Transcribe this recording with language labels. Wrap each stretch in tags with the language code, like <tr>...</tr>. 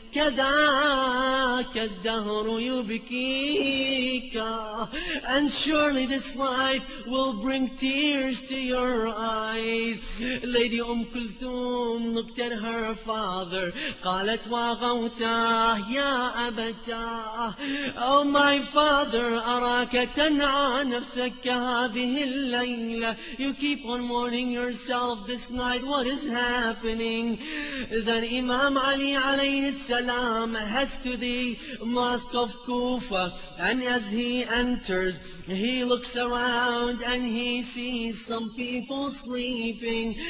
<ar>كذاك الدهر يبكيك.</ar> <en>And surely this life will bring tears to your eyes. Lady Umm Kulthum looked at her father.</en> <ar>قالت وغوتاه يا أبتاه.</ar> <en>Oh my father,</en> <ar>أراك تنعى نفسك هذه الليلة.</ar> <en>You keep on mourning yourself this night. What is happening? Then Imam Ali alayhi salam heads to the mosque of Kufa, and as he enters, he looks around and he sees some people sleeping.</en>